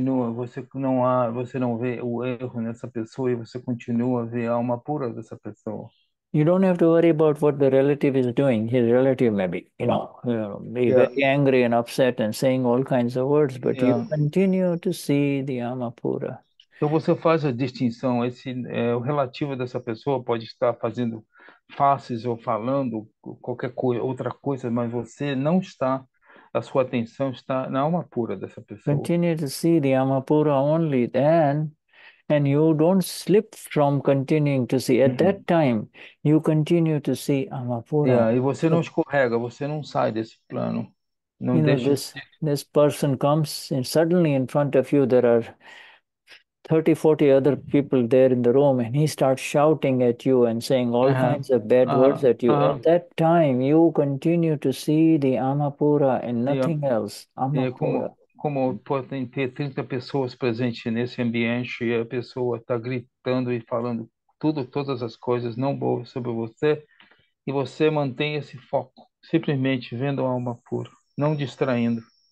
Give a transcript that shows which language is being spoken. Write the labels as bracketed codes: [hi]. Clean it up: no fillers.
[pt] Você não vê o erro nessa pessoa e você continua a ver a alma pura dessa pessoa. [en] You don't have to worry about what the relative is doing. His relative may be very angry and upset and saying all kinds of words, but you continue to see the Amapura. [pt] Então você faz a distinção, o relativo dessa pessoa pode estar fazendo faces ou falando qualquer coisa, outra coisa, mas você não está. A sua atenção está na alma pura dessa pessoa. [en] Continue to see the Amapura only then. And you don't slip from continuing to see. At that time, you continue to see Amapura. [pt] E você não [en] So, [pt] escorrega, você não sai desse plano, não deixa de. [en] this person comes and suddenly in front of you, there are 30, 40 other people there in the room, and he starts shouting at you and saying all kinds of bad words at you. At that time, you continue to see the Amapura and nothing else. [pt] E [en] Amapura. [pt] como podem ter 30 pessoas presentes nesse ambiente e a pessoa está gritando e falando tudo, todas as coisas não boas sobre você, e você mantém esse foco, simplesmente vendo a alma pura, não distraindo.